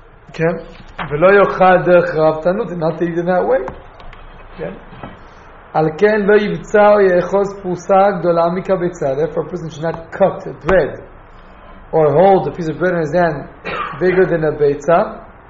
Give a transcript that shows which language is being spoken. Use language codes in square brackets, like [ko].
[en] Okay? [he] ולא יאכל דרך רבתנות, [en] not to eat in that way. [he] על כן לא יבצע או יאחוז פרוסה גדולה מקבצה. [en] Therefore, a person should not cut a bread or hold a piece of bread in his hand bigger than a ביצה.